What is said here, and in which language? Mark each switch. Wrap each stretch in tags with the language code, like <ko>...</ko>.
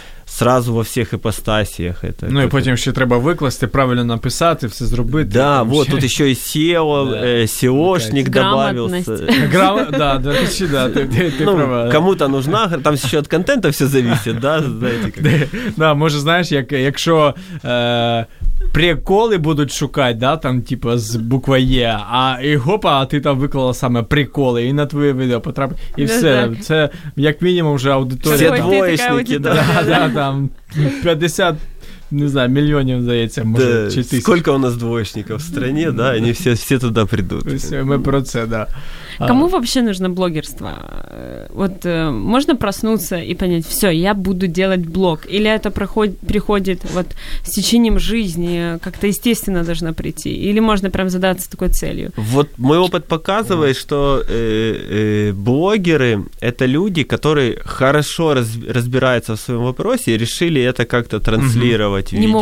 <ru>Сразу во всех ипостасиях. Это, ну и потом еще</ru> <uk>треба выкласти,</uk> <ru>правильно написать и все сделать. Да, вот тут еще и SEO, SEO-шник добавился. Грамотность. Кому-то нужна, там еще от контента все зависит, да? Да, может, знаешь, якщо...</ru> <uk>приколи будуть шукати, да, там, типу, з буквою Е, а і гопа, а ти там виклала саме приколи, і на твоє відео потрапить, і все. Так. Це, як мінімум, вже аудиторія. Все двоєшники, да. Да, там, 50, не знаю, мільйонів, здається, може, да, чи тисяч. Скільки у нас двоєшників в країні, да, вони всі туди прийдуть. Все, ми про це, да.</uk> <ru>Кому вообще нужно блогерство? Вот можно проснуться и понять, все, я буду делать блог? Или это приходит вот с течением жизни, как-то естественно должно прийти? Или можно прям задаться такой целью? Вот мой опыт показывает, что блогеры — это люди, которые хорошо разбираются в своем вопросе и решили это как-то транслировать в виде видео.</ru>